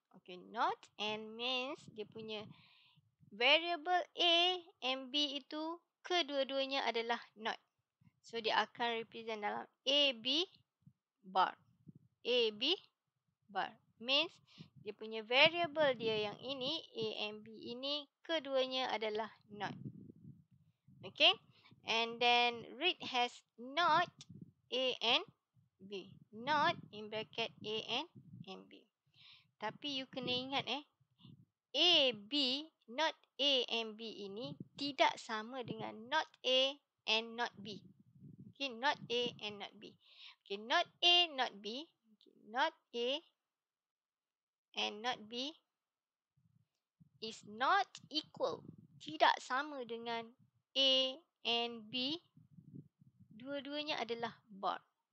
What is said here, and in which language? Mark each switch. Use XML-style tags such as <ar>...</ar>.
<en>Okay, not AND means</en> <ms>dia punya variable A and B itu kedua-duanya adalah not. So, dia akan represent dalam AB bar.</ms> <en>AB bar means</en> <ms>dia punya variable dia yang ini, A and B ini, keduanya adalah not.</ms> <en>Okay. And then read has not A and B. Not in bracket A and B.</en> <ms>Tapi you kena ingat</ms> <en>A, B, not A and B</en> <ms>ini tidak sama dengan</ms> <en>not A and not B. Okay, not A and not B. Okay, not A, not B. Okay, not A and not B is not equal.</en> <ms>Tidak sama dengan A and B, dua-duanya adalah bar.</ms>